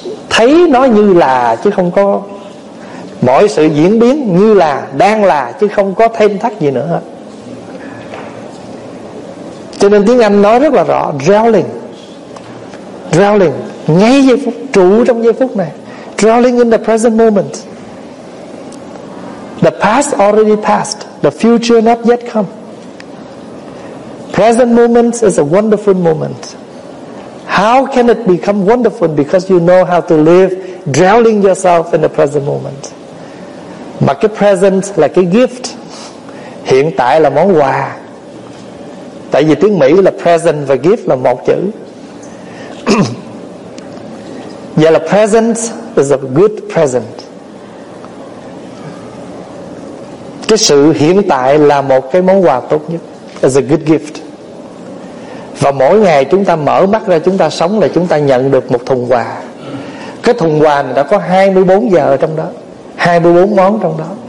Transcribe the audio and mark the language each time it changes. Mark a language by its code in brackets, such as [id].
[vi] Thấy nó như là, chứ không có. Mọi sự diễn biến như là, đang là, chứ không có thêm thắt gì nữa. Cho nên tiếng Anh nói rất là rõ, dwelling. Dwelling, ngay giây phút, trụ trong giây phút này. [en] Dwelling in the present moment. The past already passed, the future not yet come. Present moment is a wonderful moment. How can it become wonderful? Because you know how to live, drowning yourself in the present moment. [vi] Mà cái present là cái gift, hiện tại là món quà. Tại vì tiếng Mỹ là present và gift là một chữ. [en] Vậy là present is a good present. [vi] Cái sự hiện tại là một cái món quà tốt nhất, [en] is a good gift. [vi] Và mỗi ngày chúng ta mở mắt ra, chúng ta sống là chúng ta nhận được một thùng quà. Cái thùng quà này đã có 24 giờ ở trong đó, 24 món trong đó.